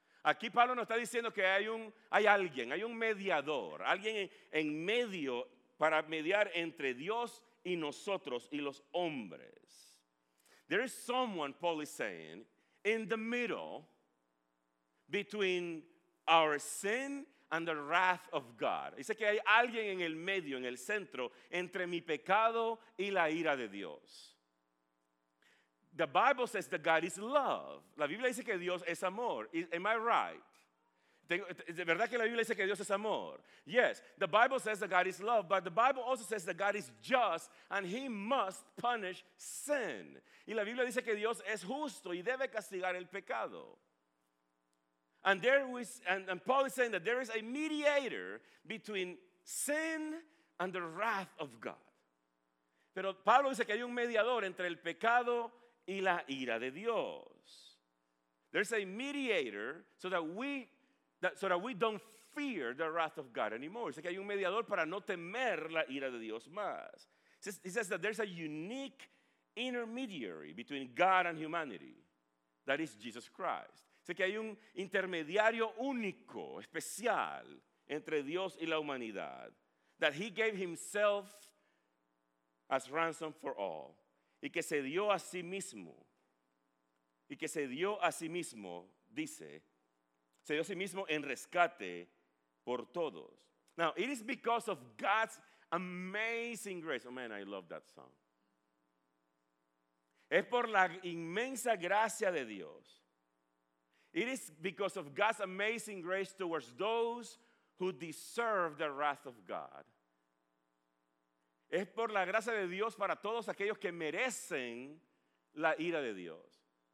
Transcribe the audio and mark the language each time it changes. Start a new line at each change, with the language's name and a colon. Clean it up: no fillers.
Spanish: Aquí Pablo nos está diciendo que hay un mediador, alguien en medio para mediar entre Dios y nosotros y los hombres.
English: There is someone, Paul is saying, in the middle between our sin and the wrath of God.
Spanish: Dice que hay alguien en el medio, en el centro, entre mi pecado y la ira de Dios.
English: The Bible says that God is love.
Spanish: La Biblia dice que Dios es amor.
English: Am I right?
Spanish: ¿De verdad que la Biblia dice que Dios es amor?
English: Yes, the Bible says that God is love, but the Bible also says that God is just and he must punish sin.
Spanish: Y la Biblia dice que Dios es justo y debe castigar el pecado.
English: And Paul is saying that there is a mediator between sin and the wrath of God.
Spanish: Pero Pablo dice que hay un mediador entre el pecado y la ira de Dios.
English: There's a mediator so that we don't fear the wrath of God anymore.
Spanish: Dice que hay un mediador para no temer la ira de Dios más.
English: He says that there's a unique intermediary between God and humanity. That is Jesus Christ.
Spanish: Dice que hay un intermediario único, especial, entre Dios y la humanidad.
English: That he gave himself as ransom for all.
Spanish: Y que se dio a sí mismo, dice, se dio a sí mismo en rescate por todos.
English: Now, it is because of God's amazing grace. Oh, man, I love that song.
Spanish: Es por la inmensa gracia de Dios.
English: It is because of God's amazing grace towards those who deserve the wrath of God.
Spanish: Es por la gracia de Dios para todos aquellos que merecen la ira de Dios.